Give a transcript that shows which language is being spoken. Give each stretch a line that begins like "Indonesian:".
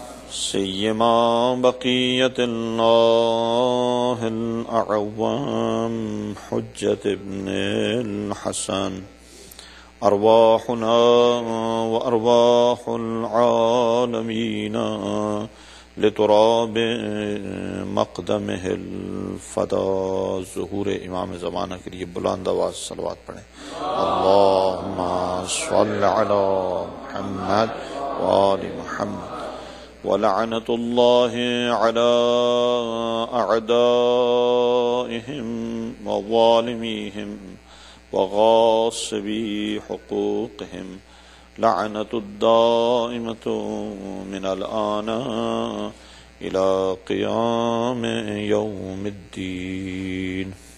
Arabic: سيما بقية الله الأعوام حجة ابن الحسن، أرواحنا وأرواح العالمين لتراب مقدمه الفدا.
Urdu: ظهور امام زمانہ کے لیے بلند آواز صلوات پڑھیں.
Arabic: اللهم صل على محمد وآل محمد. ولعنة الله على أعدائهم وظالميهم وغاصبي حقوقهم، لعنة الدائمة من الآن إلى قيام يوم الدين.